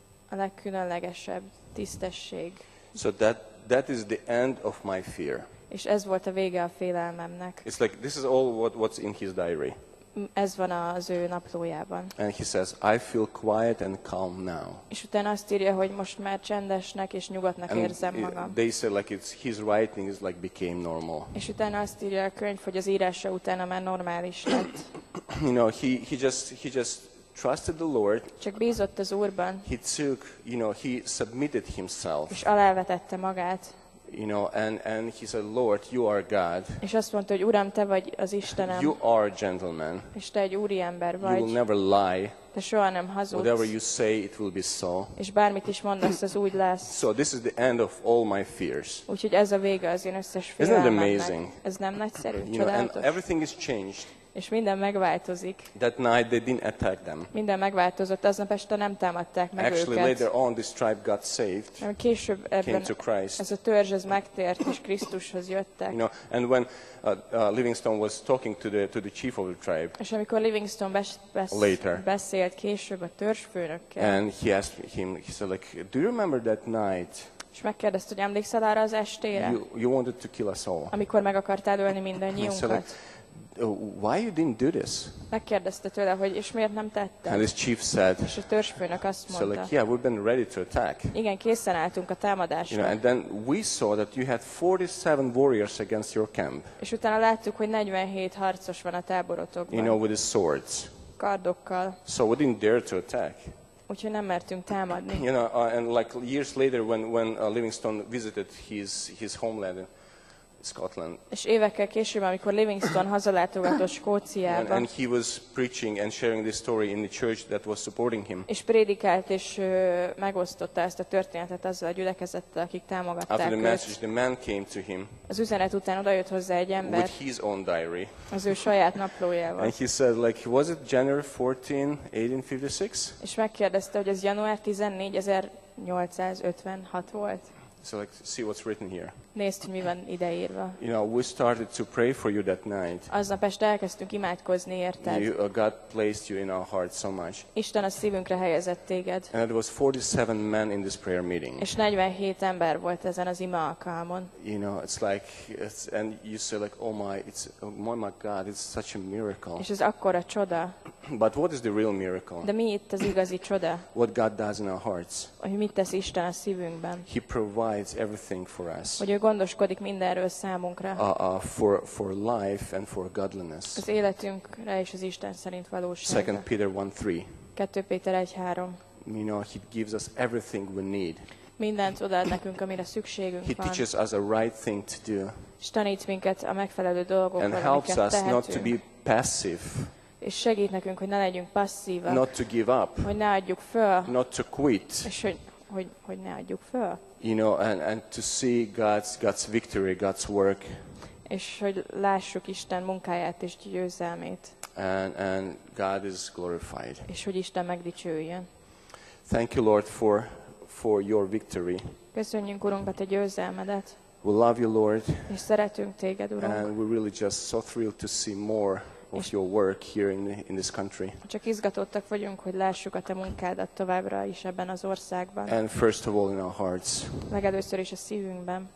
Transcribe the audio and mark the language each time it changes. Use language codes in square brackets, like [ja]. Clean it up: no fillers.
[hu] A legkülönlegesebb tisztesség. [en] So that is the end of my fear. [hu] És ez volt a vége a félelmemnek. [en] It's like this is all what's in his diary. [hu] Ez van az ő naplójában. [en] And he says, I feel quiet and calm now. [hu] És utána azt írja, hogy most már csendesnek és nyugodtnak érzem magam. [en] They say like it's his writing is like became normal. [hu] És utána azt írja a könyv, hogy az írása utána már normális lett. [en] You know, he just trusted the Lord. [hu] Csak bízott az Úrban. [en] He took, you know, he submitted himself. [hu] És alávetette magát. [en] You know, and he said, Lord, you are God. [hu] És azt mondta, hogy Uram, te vagy az Istenem. [en] You are a gentleman. [hu] És te egy úriember vagy. [en] You will never lie. [hu] Te soha nem hazudsz. [en] Whatever you say, it will be so. [hu] És bármit is mondasz, az úgy lesz. [en] So this is the end of all my fears. [hu] Úgyhogy ez a vége az én összes félelmemnek. [en] Isn't it amazing? [hu] Ez nem nagyszerű, [en] you [hu] csodálatos. [en] Know, and everything is changed. [hu] És minden megváltozik. [en] That night they didn't attack them. [hu] Minden megváltozott, aznap este nem támadták meg [en] Actually, [hu] őket. [en] Actually, later on, this tribe got saved. [hu] Később ebben [en] came to Christ. [hu] Ez a törzs ez megtért és Krisztushoz jöttek. [en] You know, and when Livingstone was talking to the chief of the tribe. [hu] És amikor Livingstone beszélt később a törzsfőnökkel. [en] And he asked him, he said like, do you remember that night? [hu] És megkérdezte, hogy emlékszel arra az estére? [en] You wanted to kill us all. [hu] Amikor meg akartál ölni mindannyiunkat. [en] Why you didn't do this? [hu] Megkérdezte tőle, hogy és miért nem tette? [en] And his chief said. [hu] És a törzsfőnök azt mondta. [en] So like, yeah, we've been ready to attack. [hu] Igen, készen álltunk a támadásra. [en] You know, and then we saw that you had 47 warriors against your camp. [hu] És utána láttuk, hogy 47 harcos van a táborotokban. [en] You know, with his swords. [hu] Kardokkal. [en] So we didn't dare to attack. [hu] Úgyhogy nem mertünk támadni. [en] You know, and like years later, when Livingstone visited his homeland. Scotland. [hu] És évekkel később, amikor Livingstone hazalátogatott Skóciába. [en] And he was preaching and sharing this story in the church that was supporting him. [hu] És prédikált és megosztotta ezt a történetet azzal a gyülekezettel, akik támogatták őt. [en] After the message, the man came to him. [hu] Az üzenet után odajött hozzá egy ember. [en] With his own diary. [hu] Az ő saját naplójával. [en] And he said, like, was it January 14, 1856? [hu] És megkérdezte, hogy ez január 14, 1856 volt. [en] So like, see what's written here. [hu] Nézd, hogy mi van ideírva. [en] You know, we started to pray for you that night. [hu] Aznap este elkezdtünk imádkozni érted. [en] God placed you in our hearts so much. [hu] Isten a szívünkre helyezett téged. [en] And there was 47 men in this prayer meeting. [hu] És 47 ember volt ezen az ima alkalmon. [en] You know, it's like, it's, and you say like, oh my, it's, oh my God, it's such a miracle. [hu] És ez akkora csoda. [en] But what is the real miracle? [hu] De mi itt az igazi csoda? [en] What God does in our hearts. [hu] Hogy mit tesz Isten a szívünkben. [en] He provides everything for us. [hu] Hogy ő gondoskodik mindenről számunkra. [en] For life and for godliness. [hu] Az életünkre és az Isten szerint valóságra. [en] 2 Peter 1:3. [hu] 2 Péter 1:3. [en] You know, he gives us everything we need. [hu] Mindent odaad nekünk, amire szükségünk [en] he [hu] van. [en] He teaches us a right thing to do. [hu] És tanít minket a megfelelő dolgokra, [en] and helps us [hu] tehetünk. [en] Not to be passive. [hu] És segít nekünk, hogy ne legyünk passzívak. [en] Not to give up. [hu] Hogy ne adjuk föl. [en] Not to quit. [hu] És hogy ne adjuk föl. [en] You know, and to see God's victory, God's work. [hu] És hogy lássuk Isten munkáját és győzelmét. [en] And God is glorified. [hu] És hogy Isten megdicsőjön. [en] Thank you, Lord, for your victory. [hu] Köszönjük, Urunk, a te győzelmedet. [en] We love you, Lord. [hu] És szeretünk téged, Urunk. [en] And we're really just so thrilled to see more of your work here in this country. [hu] Csak izgatottak vagyunk, hogy lássuk a te munkádat továbbra is ebben az országban. [en] And first of all in our hearts. [hu] Legelőször is a szívünkben.